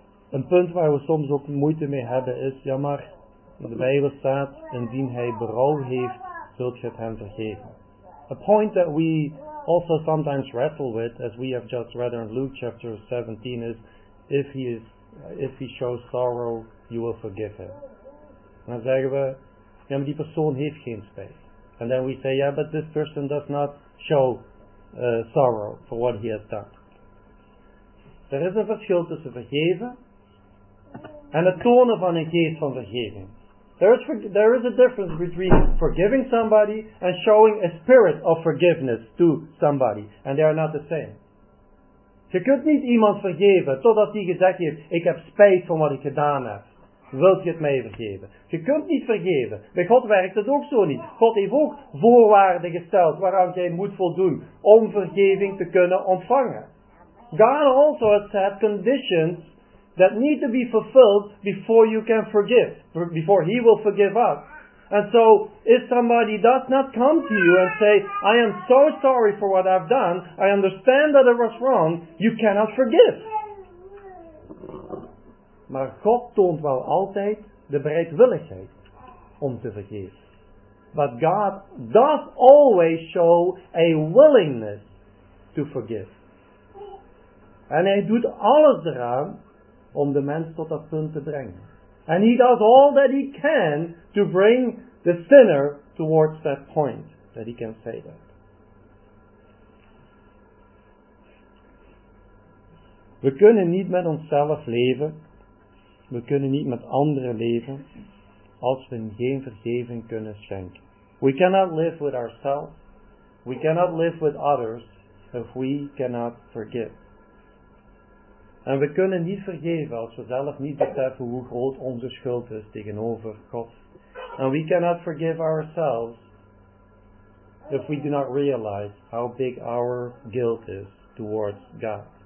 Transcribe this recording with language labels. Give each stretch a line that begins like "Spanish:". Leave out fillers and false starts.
Dutch: Een punt waar we soms ook moeite mee hebben is, ja maar, in de Bijbel staat, indien hij berouw heeft, zult je het hem vergeven.
English: A point that we also sometimes wrestle with, as we have just read in Luke chapter 17, is if he shows sorrow, you will forgive him.
Dutch: Dan zeggen we, Ja, maar die persoon heeft geen spijt.
English: And then we say, yeah, but this person does not show sorrow for what he has done.
Dutch: Er is een verschil tussen vergeven en het tonen van een geest van vergeving.
English: There is a difference between forgiving somebody and showing a spirit of forgiveness to somebody. And they are not the same.
Dutch: Je kunt niet iemand vergeven totdat hij gezegd heeft, ik heb spijt van wat ik gedaan heb. Wilt je het mij vergeven? Je kunt niet vergeven. Bij God werkt het ook zo niet. God heeft ook voorwaarden gesteld waaraan jij moet voldoen om vergeving te kunnen ontvangen.
English: God also has set conditions that need to be fulfilled before you can forgive, before he will forgive us. And so, if somebody does not come to you and say, I am so sorry for what I've done, I understand that it was wrong, you cannot forgive.
Dutch: Maar God toont wel altijd de bereidwilligheid om te vergeven.
English: But God does always show a willingness to forgive.
Dutch: En hij doet alles eraan om de mens tot dat punt te brengen.
English: And he does all that he can to bring the sinner towards that point that he can say that.
Dutch: We kunnen niet met onszelf leven. We kunnen niet met anderen leven als we geen vergeving kunnen schenken.
English: We cannot live with ourselves. We cannot live with others if we cannot forgive.
Dutch: En we kunnen niet vergeven als we zelf niet beseffen hoe groot onze schuld is tegenover God.
English: And we cannot forgive ourselves if we do not realize how big our guilt is towards God.